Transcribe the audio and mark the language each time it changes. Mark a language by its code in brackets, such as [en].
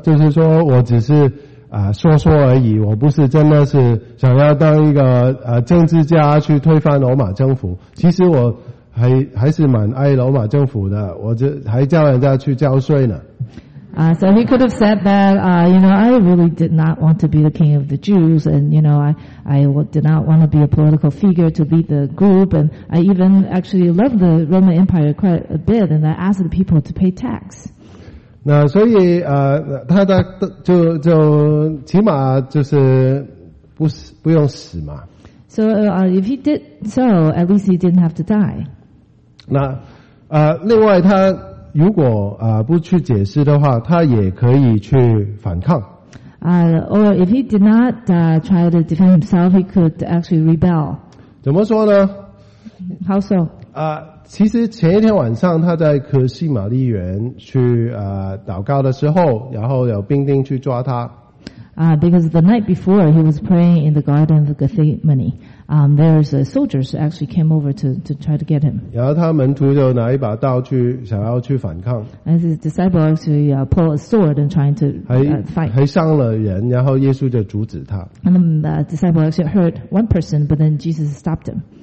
[zh] 就是说我只是。说说而已，我不是真的是想要当一个政治家去推翻罗马政府。其实我还是蛮爱罗马政府的，我就还叫人家去交税呢。 [en] So he could have said that, you know, I really did not want to be the king of the Jews, and you know, I did not want to be a political figure to lead the group, and I even actually loved the Roman Empire quite a bit, and I asked the people to pay tax. [zh] 那所以他的就起码就是不用死嘛。 [en] So if he did so, at least he didn't have to die. [zh] 那另外他如果不去解释的话，他也可以去反抗。 [en] Or if he did not try to defend himself, he could actually rebel. [zh] 怎么说呢 [en] ？How so? [zh] 其实前一天晚上他在可西玛丽园去祷告的时候，然后有兵丁去抓他。 [en] Because the night before he was praying in the Garden of Gethsemane, there's soldiers actually came over to try to get him. [zh] 然后他门徒就拿一把刀去想要去反抗。 [en] And his disciple actually pulled a sword and trying to fight. [zh] 还伤了人，然后耶稣就阻止他。 [en] And the disciple actually hurt one person, but then Jesus stopped him.